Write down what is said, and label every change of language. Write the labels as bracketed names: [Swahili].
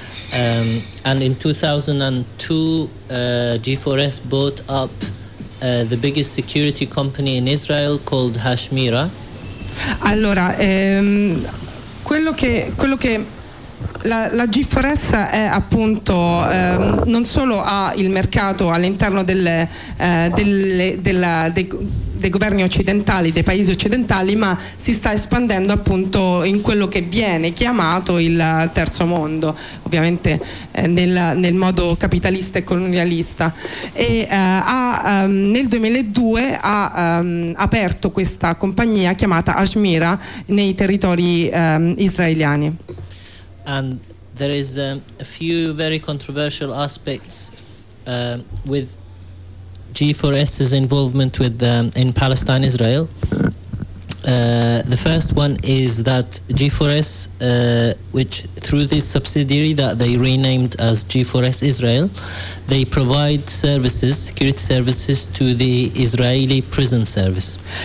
[English] And in 2002, G4S bought up the biggest security company in Israel called Hashmira. [Italian] Allora, quello che La G4S è appunto non solo ha il mercato all'interno dei governi occidentali, dei paesi occidentali, ma si sta espandendo appunto in quello che viene chiamato il terzo mondo, ovviamente nel modo capitalista e colonialista. E nel 2002 ha aperto questa compagnia chiamata Hashmira nei territori israeliani. [English] And there is a few very controversial aspects with G4S's involvement with in Palestine, Israel. The first one is that G4S, which through this subsidiary that they renamed as G4S Israel, they provide services, security services, to the Israeli prison service.